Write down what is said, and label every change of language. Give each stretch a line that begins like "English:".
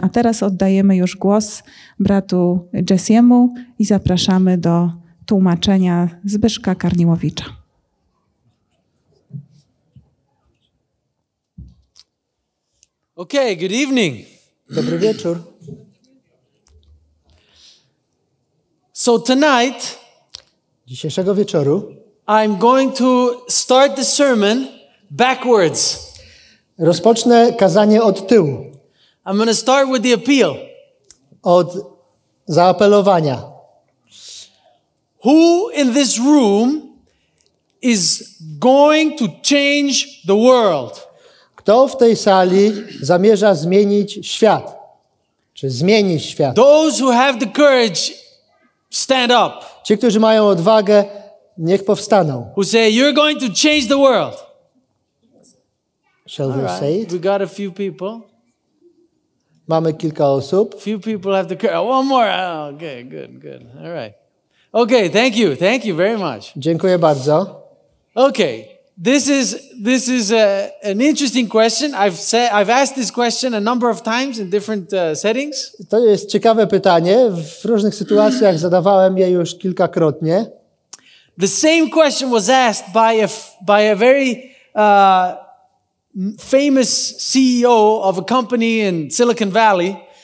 Polish: A teraz oddajemy już głos bratu Jesse'emu i zapraszamy do tłumaczenia Zbyszka Karniłowicza.
English: Okay, good evening.
Polish: Dobry wieczór.
English: So tonight,
Polish: dzisiejszego wieczoru,
English: I'm going to start the sermon backwards.
Polish: Rozpocznę kazanie od tyłu.
English: I'm going to start with the appeal.
Polish: Od zaapelowania.
English: Who in this room is going to change the world?
Polish: Kto w tej sali zamierza zmienić świat? Czy zmieni świat?
English: Those who have the courage, stand up.
Polish: Ci, którzy mają odwagę, niech powstaną.
English: Who say you're going to change the world? Shall we say it? We got a few people.
Polish: Mamy kilka osób.
English: Few people have the courage. One more. Oh, okay, good, good. All right. Okay, thank you. Thank you very much.
Polish: Dziękuję bardzo.
English: Okay. This is an interesting question. I've asked this question a number of times in different settings.
Polish: To jest ciekawe pytanie. W różnych sytuacjach zadawałem je już kilkakrotnie.
English: The same question was asked by a very famous CEO of a company in Silicon Valley.